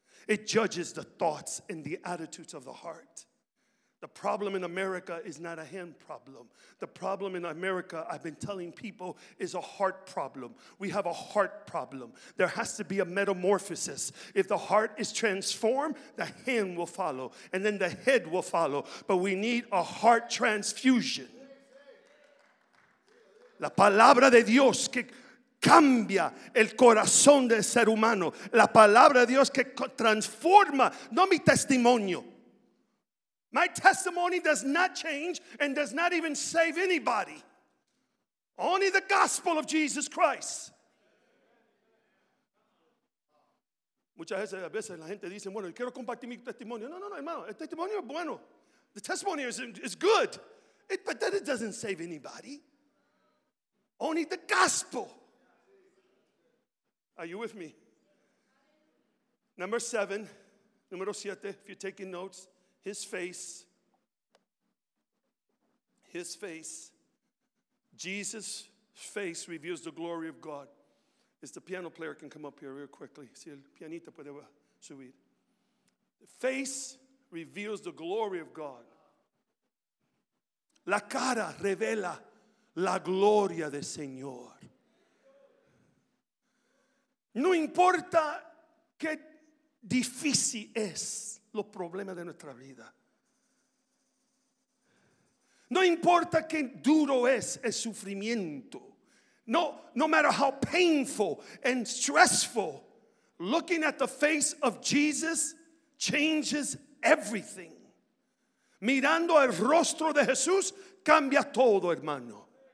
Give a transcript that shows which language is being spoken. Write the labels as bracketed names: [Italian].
[English] It judges the thoughts and the attitudes of the heart. The problem in America is not a hand problem. The problem in America, I've been telling people, is a heart problem. We have a heart problem. There has to be a metamorphosis. If the heart is transformed, the hand will follow, and then the head will follow. But we need a heart transfusion. [Spanish] La palabra de Dios que cambia el corazón del ser humano. La palabra de Dios que transforma, no mi testimonio. [English] My testimony does not change and does not even save anybody. Only the gospel of Jesus Christ. [Spanish] Muchas veces la gente dice, bueno, quiero compartir mi testimonio. No, no, no, hermano, el testimonio es bueno. [English] The testimony is good, but then it doesn't save anybody. Only the gospel. Are you with me? Number seven. [Spanish] Número siete, [English] if you're taking notes. His face. His face. Jesus' face reveals the glory of God. If the piano player can come up here real quickly. [Spanish] Si el pianista puede subir. [English] The face reveals the glory of God. [Spanish] La cara revela la gloria del Señor. No importa qué difícil es los problemas de nuestra vida. No importa qué duro es el sufrimiento. [English] No matter how painful and stressful, looking at the face of Jesus changes everything. [Spanish] Mirando el rostro de Jesús cambia todo, hermano.